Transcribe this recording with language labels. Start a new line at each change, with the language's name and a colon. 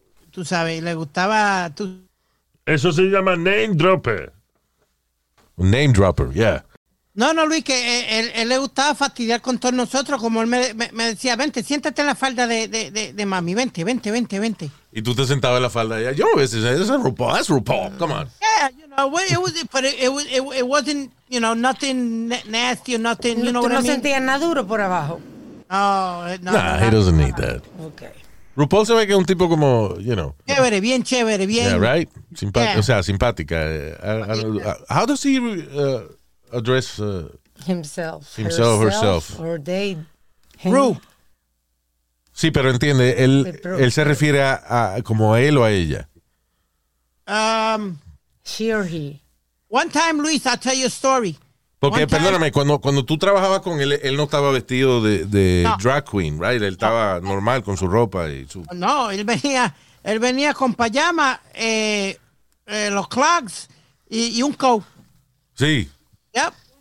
Spanish: Tú sabes, le gustaba... Eso se llama name dropper.
English: Name dropper, yeah.
Spanish: No, Luis, que él le gustaba fastidiar con todos nosotros, como él me decía, vente, siéntate en la falda de mami, vente. Y tú te sentabas en la falda de ella. Yo a veces, eso es RuPaul,
English: that's RuPaul, come on. Yeah, you know, it wasn't, you know, nothing nasty or nothing, you know what I mean?
Spanish: ¿Tú no sentías nada duro por abajo? No,
English: he doesn't need that. Okay.
Spanish: RuPaul se ve que es un tipo como, you know. Chévere, bien chévere, bien.
English: Yeah, right? Yeah.
Spanish: O sea, simpática.
English: How does he address himself, herself? Or they. Ru.
Spanish: Sí, pero entiende, él se refiere a como a él o a ella.
English: She or he. One time, Luis, I'll tell you a story.
Spanish: Porque, one perdóname, cuando tú trabajabas con él, él no estaba vestido de no.
English: drag queen, right?
Spanish: Él estaba no. normal con su ropa y su... No, él venía con pijama, los clogs y un coat. Sí.
English: Yep.